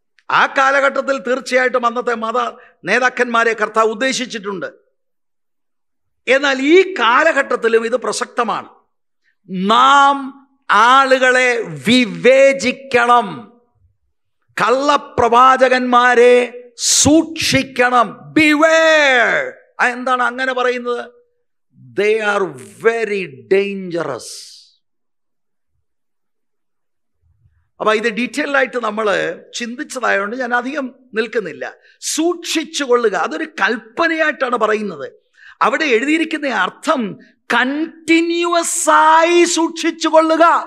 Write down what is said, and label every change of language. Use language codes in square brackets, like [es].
[ml] ആ കാലഘട്ടത്തിൽ തീർച്ചയായിട്ടും അന്നത്തെ മത നേതാക്കന്മാരെ കർത്താവ് ഉദ്ദേശിച്ചിട്ടുണ്ട്. എന്നാൽ ഈ കാലഘട്ടത്തിലും ഇത് പ്രസക്തമാണ്. നാം ആളുകളെ വിവേചിക്കണം, കള്ളപ്രവാചകന്മാരെ സൂക്ഷിക്കണം. ബിവേർ. എന്താണ് അങ്ങനെ പറയുന്നത്? [en] They are very dangerous. [ml] അപ്പൊ ഇത് ഡീറ്റെയിൽഡ് ആയിട്ട് നമ്മൾ ചിന്തിച്ചതായതുകൊണ്ട് ഞാൻ അധികം നിൽക്കുന്നില്ല. സൂക്ഷിച്ചുകൊള്ളുക, അതൊരു കൽപ്പനയായിട്ടാണ് പറയുന്നത്. അവിടെ എഴുതിയിരിക്കുന്ന അർത്ഥം കണ്ടിന്യൂസ് ആയി സൂക്ഷിച്ചുകൊള്ളുക.